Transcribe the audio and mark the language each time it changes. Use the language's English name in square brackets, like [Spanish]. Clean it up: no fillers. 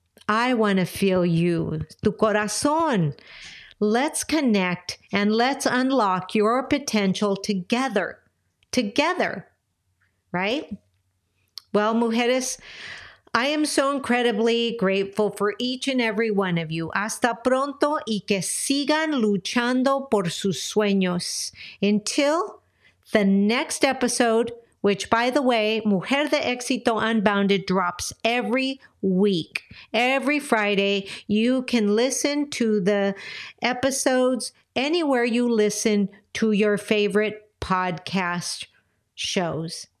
[English] I want to feel you, [Spanish] tu corazón. [English] Let's connect and let's unlock your potential together. Together, right? Well, mujeres, I am so incredibly grateful for each and every one of you. [Spanish] Hasta pronto y que sigan luchando por sus sueños. [English] Until the next episode, which, by the way, Mujer de Éxito Unbounded drops every week. Every Friday, you can listen to the episodes anywhere you listen to your favorite podcast shows.